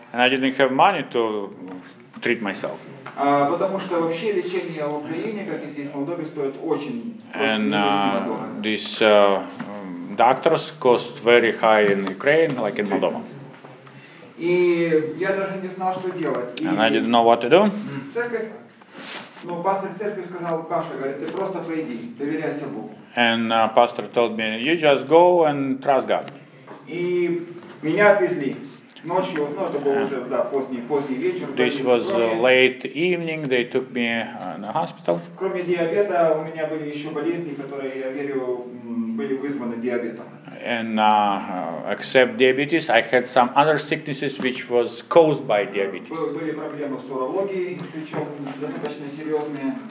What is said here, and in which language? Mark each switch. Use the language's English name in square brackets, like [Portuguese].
[English] And I didn't have money to treat myself. [Russian] Потому что вообще лечение в Украине, как и здесь в Молдове, стоит очень дорого. [English] And this doctors cost very high in Ukraine, like in Moldova. [Russian] И я даже не знал, что делать. [English] And I didn't know what to do. [Russian] Церковь, ну, пастор церкви сказал: Паша, говорит, ты просто пойди, доверяйся Богу. [English] And pastor told me, you just go and trust God. [Russian] И меня отвезли. Ночью, ну, это был уже, да, поздний вечер. [English] This was late evening, they took me in the hospital. [Russian] Кроме диабета, у меня были еще болезни, которые, я верю, были вызваны диабетом. [English] And except diabetes, I had some other sicknesses which was caused by diabetes. [Russian] Были проблемы с урологией, причем достаточно серьезные.